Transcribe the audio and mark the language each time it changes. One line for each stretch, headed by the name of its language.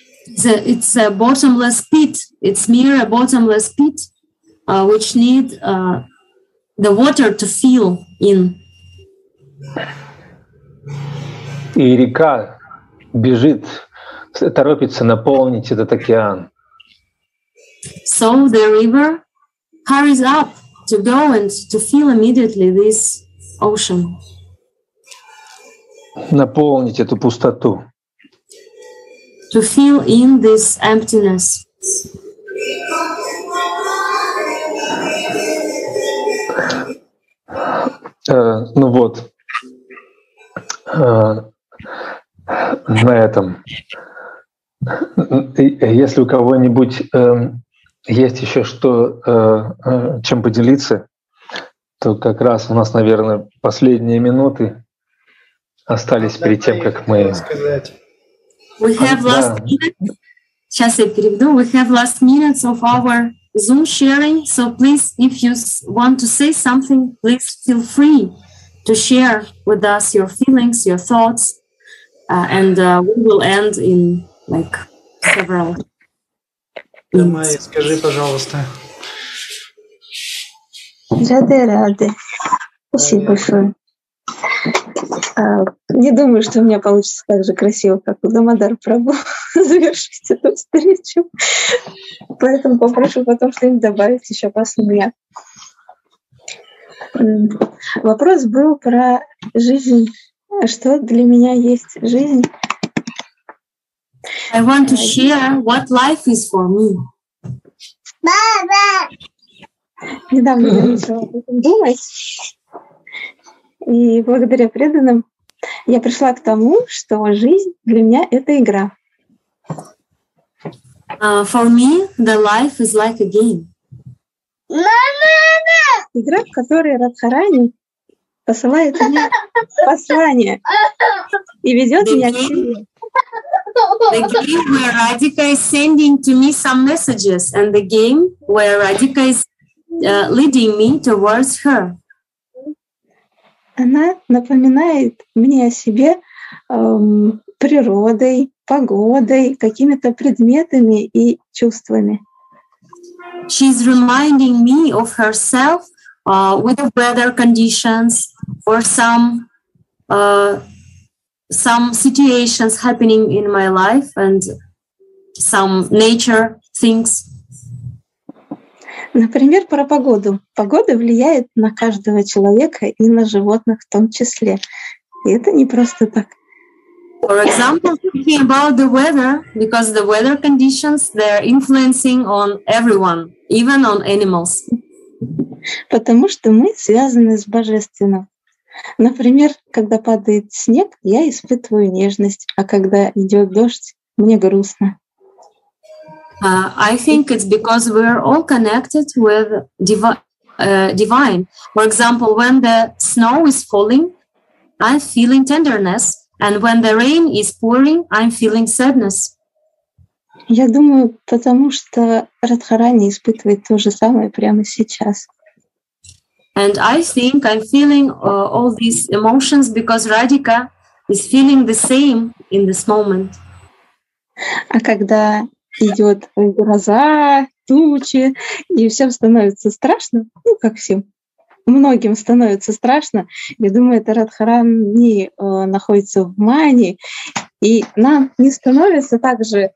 English: It's a bottomless pit. It's mere a bottomless pit. Which need the water to fill in.
Russian: И река бежит, торопится наполнить этот океан.
English: So the river hurries up to go and to fill immediately this ocean.
Russian: Наполнить эту пустоту.
English: To fill in this emptiness.
Russian: Ну вот, на этом. Если у кого-нибудь есть еще что, чем поделиться, то как раз у нас, наверное, последние минуты остались перед тем, как мы...
English: We have last minutes.
Russian: Сейчас я переведу.
English: We have last minutes of our Zoom sharing. So please, if you want to say something, please feel free to share with us your feelings, your thoughts, we will end in like several
Russian: minutes. Майя, скажи, пожалуйста. Рады. Спасибо большое. Не думаю, что у меня получится так же красиво, как у Дамодар Прабу, завершить эту встречу. Поэтому попрошу потом что-нибудь добавить еще после меня. Вопрос был про жизнь. Что для меня есть жизнь?
English: I want to share what life is for me.
Russian: Мама! Недавно я начала об этом думать. И благодаря преданным я пришла к тому, что жизнь для меня — это игра.
English: For me, the life is like a game.
Russian: Игра, в которой Радхарани посылает мне послание и ведет меня к себе.
English: The game where Radhika is sending to me some messages, and the game where Radhika is leading me towards her.
Russian: Она напоминает мне о себе природой, погодой, какими-то предметами и чувствами.
English: She's reminding me of herself with the weather conditions or some situations happening in my life and some nature things.
Russian: Например, про погоду. Погода влияет на каждого человека и на животных в том числе. И это не просто так.
English: For example, speaking about the weather, because the weather conditions, they're influencing on everyone, even on animals.
Russian: Потому что мы связаны с Божественным. Например, когда падает снег, я испытываю нежность, а когда идет дождь, мне грустно.
English: I think it's because we're all connected with divine. For example, when the snow is falling, I'm feeling tenderness. And when the rain is pouring, I'm feeling sadness.
Russian: Я думаю, потому что Радхарани испытывает то же самое прямо сейчас.
English: And I think I'm feeling all these emotions because Radhika is feeling the same in this moment.
Russian: А когда идет гроза, тучи, и всем становится страшно, ну, как всем. Многим становится страшно. Я думаю, это Радхарани находится в мане, и нам не становится так же.